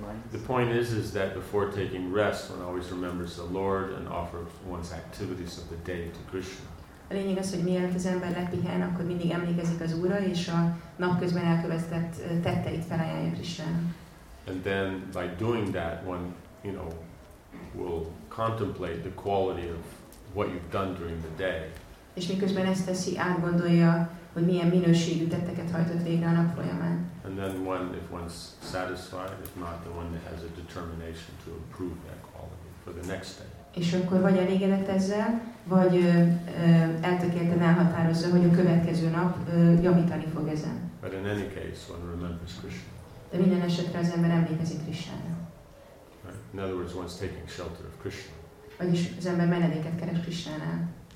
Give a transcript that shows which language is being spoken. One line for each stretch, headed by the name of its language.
English: The point is that before taking rest, one always remembers the Lord and offers one's activities of the day to Krishna.
Hungarian: A lényeg az, hogy mielőtt az ember lepihen, akkor mindig emlékezik az Úrra, és a napközben elkövetett tetteit felajánlja Krisztusnak.
English: And then by doing that, one, you know, will contemplate the quality of what you've done during the day.
Hungarian: És miközben ezt teszi, átgondolja, hogy milyen minőségű tetteket hajtott végre a nap folyamán.
English: And then one, if one's satisfied, if not, then one has a determination to improve that quality for the next day.
Hungarian: És akkor vagy elégedett ezzel, vagy eltökélten elhatározza, hogy a következő nap javítani fog ezen.
English: But in any case, one remembers Krishna.
Hungarian: De minden esetre az ember emlékezik Krishnára.
English: Right. In other words, one's taking shelter of Krishna.
Hungarian: Vagyis az ember menedéket keres Krishnánál.